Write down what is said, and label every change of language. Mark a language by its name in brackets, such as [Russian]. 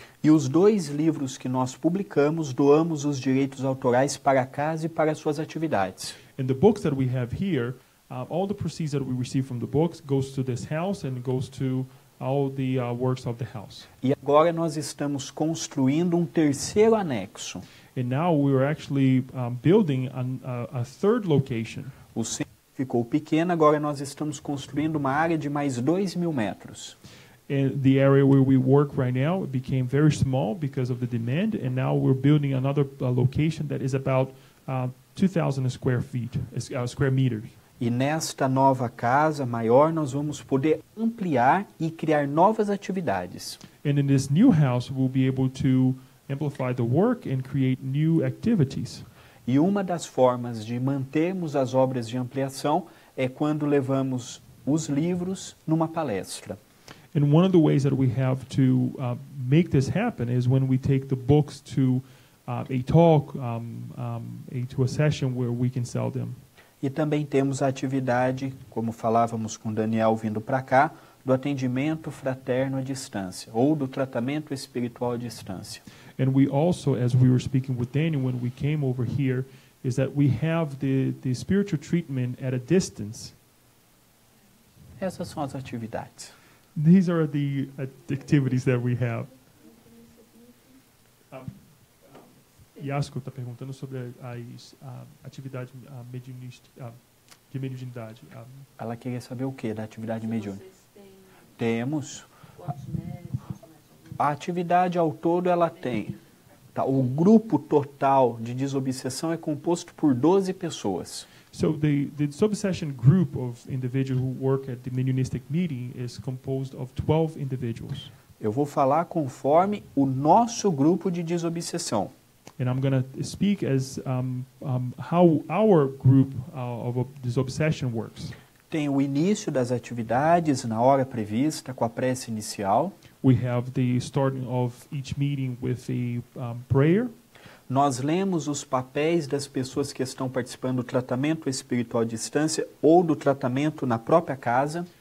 [Portuguese] E os dois livros que nós publicamos, doamos os direitos autorais para a casa e para suas atividades. [English] And the books that we have here, all the proceeds that we receive from the books goes to this house and goes to all the works of the house. [Portuguese] E agora nós estamos construindo um terceiro anexo. [English] And now we are actually building a third location. [Portuguese] O centro ficou pequeno, agora nós estamos construindo uma área de mais 2,000 metros. [English] And the area where we work right now became very small because of the demand, and now we're building another location that is about 2,000 square feet, square meters. [Portuguese] E nesta nova casa maior, nós vamos poder ampliar e criar novas atividades. [English] And in this new house, we'll be able to amplify the work and create new activities. [Portuguese] E uma das formas de mantermos as obras de ampliação é quando levamos os livros numa palestra. [English] And one of the ways that we have to make this happen is when we take the books to a talk, to a session where we can sell them. [Portuguese] E também temos a atividade, como falávamos com Daniel vindo para cá, do atendimento fraterno à distância, ou do tratamento espiritual à distância. [English] And we also, as we were speaking with Daniel when we came over here, is that we have the spiritual treatment at a distance. [Portuguese] Essas são as atividades. [English] These are the activities that we have. [Portuguese] Yasko está perguntando sobre as atividades de mediunidade. Ela queria saber o que da atividade mediúnica. Temos. A atividade ao todo ela tem. Tá, o grupo total de desobsessão é composto por 12 pessoas. [English] So the disobsession group of individuals who work at the mediunistic meeting is composed of 12 individuals. [Portuguese] Eu vou falar conforme o nosso grupo de desobsessão. [English] And I'm going to speak as how our group of disobsession works. [Portuguese] Tem o início das atividades na hora prevista com a prece inicial. [English] We have the starting of each meeting with a prayer. [Portuguese] Nós lemos os papéis das pessoas que estão participando do tratamento espiritual à distância ou do tratamento na própria casa.